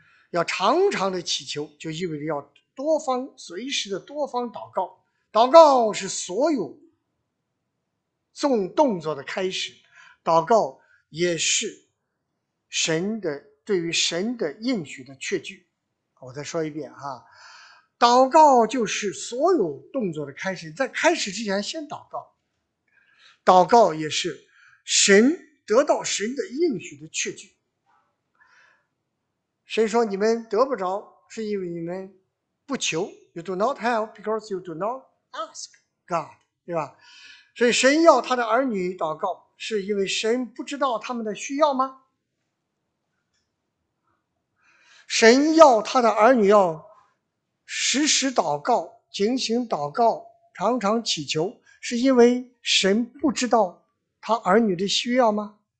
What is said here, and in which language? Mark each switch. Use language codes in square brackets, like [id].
[zh] 要常常的祈求，就意味着要多方随时的多方祷告，祷告是所有纵动作的开始，祷告也是神的对于神的应许的确据。我再说一遍啊，祷告就是所有动作的开始，在开始之前先祷告，祷告也是神得到神的应许的确据。神说你们得不着是因为你们不求， [en] You do not have because you do not ask God， [zh] 对吧？所以神要他的儿女祷告，是因为神不知道他们的需要吗？神要他的儿女要时时祷告，警醒祷告，常常祈求，是因为神不知道他儿女的需要吗？